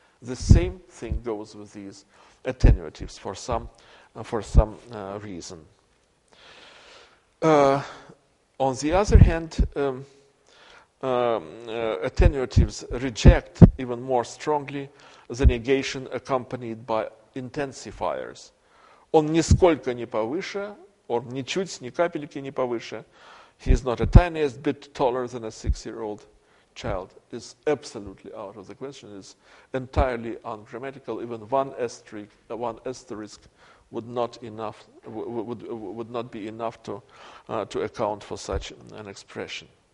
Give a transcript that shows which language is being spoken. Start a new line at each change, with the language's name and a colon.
English: The same thing goes with these attenuatives for some reason. On the other hand, attenuatives reject even more strongly the negation accompanied by intensifiers.
Russian: Он нисколько не повыше, or ничуть, ни капельки не повыше.
English: He is not a tiniest bit taller than a six-year-old child. Is absolutely out of the question. Is entirely ungrammatical. Even one asterisk would not be enough to account for such an expression.